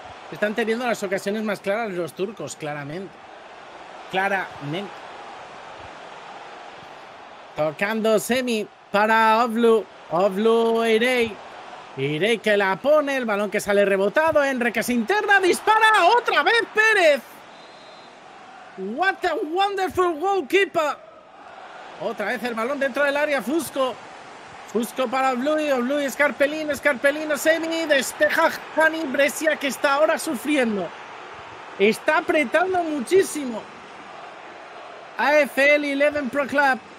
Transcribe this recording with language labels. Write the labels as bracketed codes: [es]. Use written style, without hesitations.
[es] Están teniendo las ocasiones más claras los turcos, claramente. Claramente. Tocando semi para Ovlu. Ovlu Irei. Irei que la pone. El balón que sale rebotado. Emre que se interna. Dispara otra vez Pérez. [en] What a wonderful goalkeeper. [es] Otra vez el balón dentro del área. Fusco. Fusco para Blue, Blue, Scarpellino, Scarpellino, Semini, despeja Hani Brescia, que está ahora sufriendo. Está apretando muchísimo. AFL 11 Pro Club.